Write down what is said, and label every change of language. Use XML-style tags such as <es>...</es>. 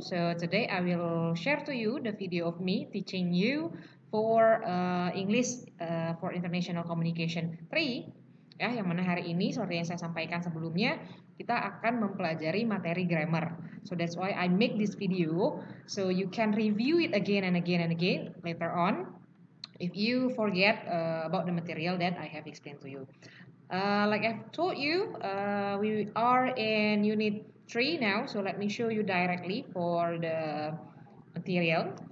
<en>So today I will share to you the video of me teaching you for English for International Communication 3.</en> <id>Ya, yang mana hari ini, sorry yang saya sampaikan sebelumnya, kita akan mempelajari materi grammar.</id> <en>So that's why I make this video so you can review it again and again and again later on. If you forget about the material that I have explained to you. Like I've told you, we are in Unit 3 now, so let me show you directly for the material.</en>